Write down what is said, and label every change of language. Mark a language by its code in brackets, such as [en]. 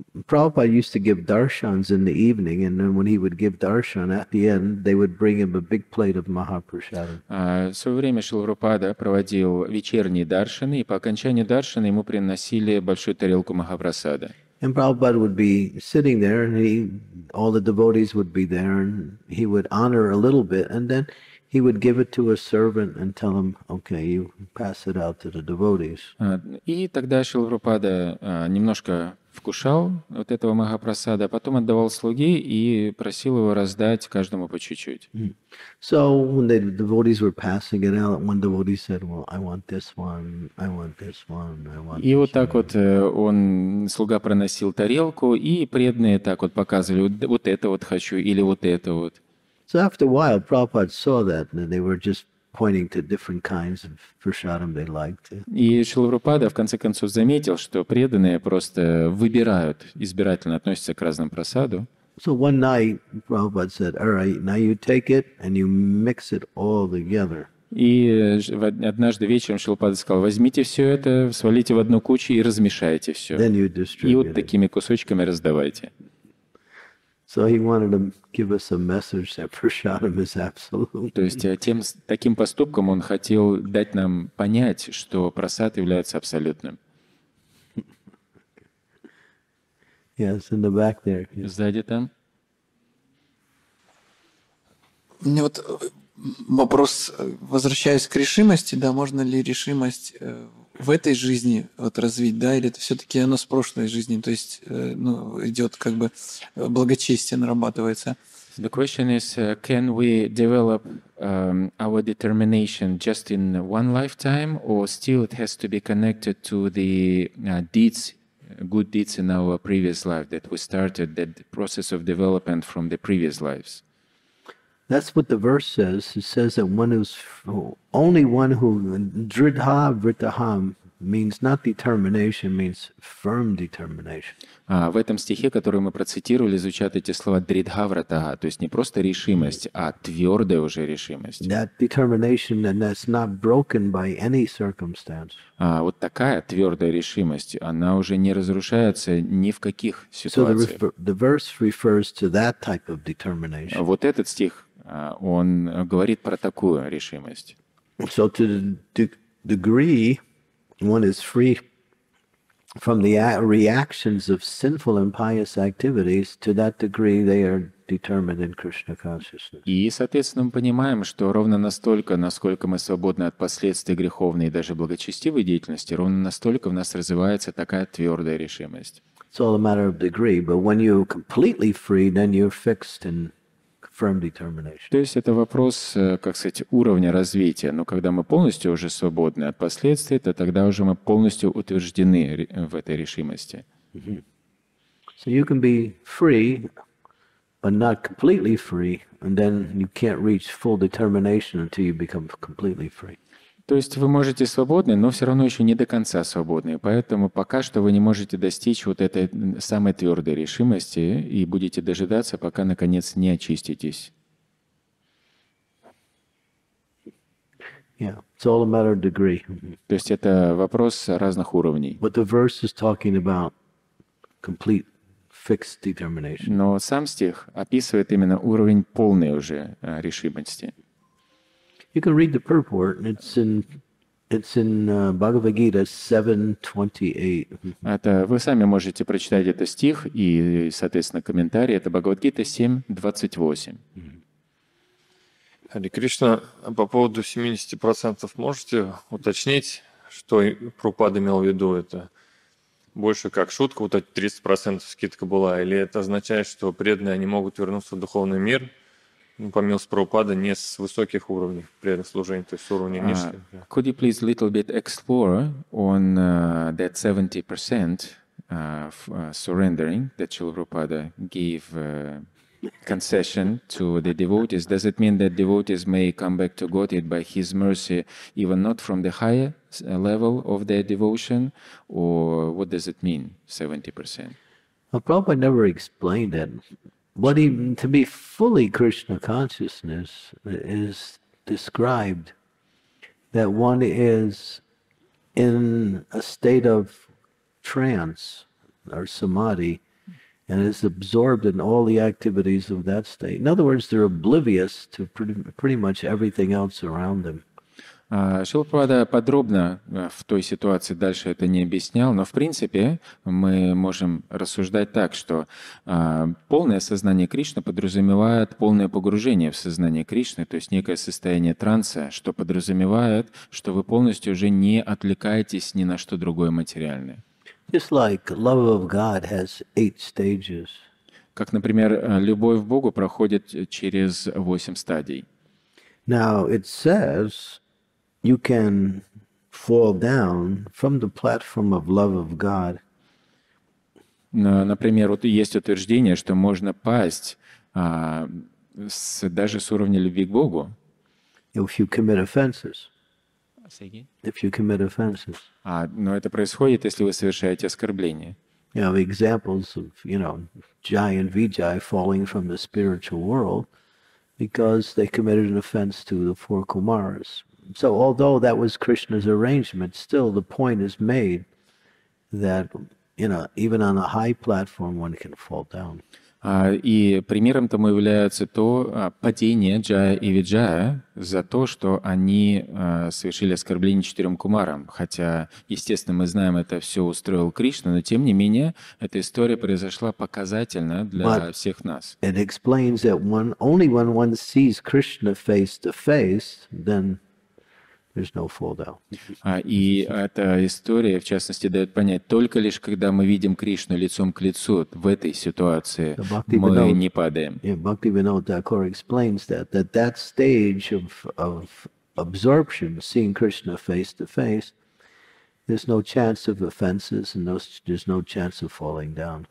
[en] Prabhupada used to give darshans in the evening, and then when he would give darshan at the end, they would bring him a big plate of mahaprasadam. [ru] В свое время Шрила Прабхупада проводил вечерние даршаны, и по окончанию даршана ему приносили большую тарелку махапрасада. [en] And Prabhupada would be sitting there, and all the devotees would be there, and he would honor a little bit, and then he would give it to a servant and tell him, "Okay, you pass it out to the devotees." [ru] И тогда Шрила Прабхупада немножко вкушал вот этого махапрасада, потом отдавал слуге и просил его раздать каждому по чуть-чуть. [en] So when the devotees were passing it out, one devotee said, "Well, I want this one, I want this one, I want this one." [ru] И вот так вот он слуга проносил тарелку, и преданные так вот показывали: вот это вот хочу или вот это вот. [en] So after a while, Prabhupada saw that they were just pointing to different kinds of prasadam they liked. [ru] И Шрила Прабхупада в конце концов заметил, что преданные просто выбирают, избирательно относятся к разным просаду. [en] So one night Prabhupada said, "All right, now you take it and you mix it all together." [ru] И однажды вечером Шрила Прабхупада сказал: "Возьмите все это, свалите в одну кучу и размешайте все. [en] Then you distribute it. [ru] И вот такими кусочками раздавайте." [en] So he wanted to give us a message that prasadam is absolute. [ru] То есть тем таким поступком он хотел дать нам понять, что прасад является абсолютным. [en] Yes, in the back there. Yes. [ru] Сзади там. Мне вот вопрос, возвращаясь к решимости, да, можно ли решимость в этой жизни вот развить, да, или это все-таки оно с прошлой жизни, то есть ну, идет как бы благочестие нарабатывается. [en] The question is, can we develop our determination just in one lifetime, or still it has to be connected to the deeds, good deeds in our previous life that we started, that process of development from the previous lives? That's what the verse says. It says that one who's only one who dridha vritaham means not determination, means firm determination. [ru] В этом стихе, который мы процитировали, звучат эти слова дридха вратаха, то есть не просто решимость, а твердая уже решимость. [en] That determination, and that's not broken by any circumstance. [ru] Вот такая твердая решимость, она уже не разрушается ни в каких ситуациях. [en] So the verse refers to that type of determination. [ru] Вот этот стих. Он говорит про такую решимость. [en] So to the degree one is free from the reactions of sinful and pious activities, to that degree they are determined in Krishna consciousness. [ru] И, соответственно, мы понимаем, что ровно настолько, насколько мы свободны от последствий греховной и даже благочестивой деятельности, ровно настолько в нас развивается такая твердая решимость. [en] It's all a matter of degree, but when you're completely free, then you're fixed in firm determination. [ru] То есть это вопрос, как сказать, уровня развития. Но когда мы полностью уже свободны от последствий, то тогда уже мы полностью утверждены в этой решимости. Mm-hmm. [en] So you can be free, but not completely free, and then you can't reach full determination until you become completely free. [ru] То есть вы можете свободны, но все равно еще не до конца свободны. Поэтому пока что вы не можете достичь вот этой самой твердой решимости и будете дожидаться, пока, наконец, не очиститесь. [en] Yeah. It's all a matter of degree. [ru] То есть это вопрос разных уровней. [en] But the verse is talking about complete fixed determination. [ru] Но сам стих описывает именно уровень полной уже решимости. [en] You can read the purport, and it's in Bhagavad Gita 7:28. [ru] Это вы сами можете прочитать этот стих и, соответственно, комментарий. Это Бхагавад Гита 7:28. Хари Кришна, по поводу 70% можете уточнить, что Прабхупад имел в виду? Это больше как шутка, вот эти 30% скидка была, или это означает, что преданные они могут вернуться в духовный мир, ну, по милости Прабхупада, не с высоких уровней преданных служений, то есть с уровня низких? [en] Could you please little bit explore on that 70% surrendering that Srila Prabhupada gave concession to the devotees? Does it mean that devotees may come back to Godhead by His mercy, even not from the higher level of their devotion? Or what does it mean, 70%? Well, Prabhupada never explained it. What even to be fully Krishna consciousness is described, that one is in a state of trance or samadhi, and is absorbed in all the activities of that state. In other words, they're oblivious to pretty much everything else around them. [ru] Шрила Прабхупада подробно в той ситуации дальше это не объяснял, но в принципе мы можем рассуждать так, что полное сознание Кришны подразумевает полное погружение в сознание Кришны, то есть некое состояние транса, что подразумевает, что вы полностью уже не отвлекаетесь ни на что другое материальное. [en] Just like love of God has 8 stages. [ru] Как, например, любовь к Богу проходит через 8 стадий. [en] Now it says you can fall down from the platform of love of God. [ru] Например, вот есть утверждение, что можно пасть даже с уровня любви к Богу. [en] If you commit offenses. If you commit offenses. [ru] Но это происходит, если вы совершаете оскорбление. [en] You know, examples of, you know, Jai and Vijay falling from the spiritual world because they committed an offense to the four Kumaras. So although that was Krishna's arrangement, still the point is made that, you know, even on a high platform one can fall down. [ru] И примером тому является то падение Джая и Виджая за то, что они совершили оскорбление четырем кумарам. Хотя, естественно, мы знаем, это все устроил Кришна, но тем не менее, эта история произошла показательно для всех нас. [en] It explains that one, only when one sees Krishna face to face, then there's no fall down. [ru] И эта история, в частности, дает понять, только лишь когда мы видим Кришну лицом к лицу в этой ситуации, мы не падаем. [en] Бхактивинода Такур explains that stage of absorption, seeing Krishna face to face, there's no chance of offenses and there's no chance of falling down.